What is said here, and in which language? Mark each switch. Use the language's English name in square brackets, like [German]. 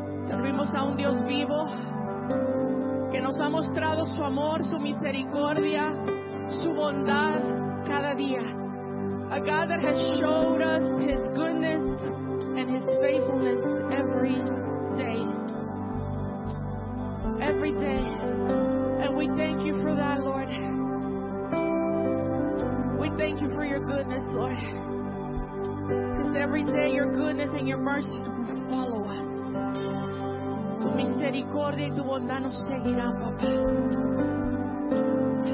[Spanish] Servimos a un Dios vivo que nos ha mostrado su amor, su misericordia, su bondad cada día. [English] A God that has showed us his goodness and his faithfulness every day. Every day. And we thank you for that, Lord. Thank you for your goodness, Lord. Because every day your goodness and your mercy follow us. [Spanish] Tu misericordia y tu bondad nos seguirá, papá.